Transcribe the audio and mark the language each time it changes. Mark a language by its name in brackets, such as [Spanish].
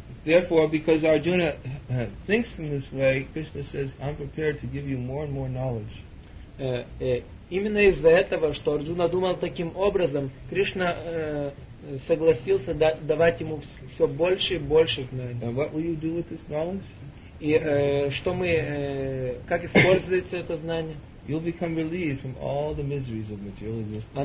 [English] Therefore, because Arjuna thinks in this way, Krishna says, I'm prepared to give you more and more knowledge. [Russian] Именно из-за этого, что Арджуна думал таким образом, Кришна согласился давать ему все больше и больше знаний. [English] And what will you do with this knowledge? [Russian] И что мы, как используется это знание? [English] You'll become relieved from all the miseries of material existence.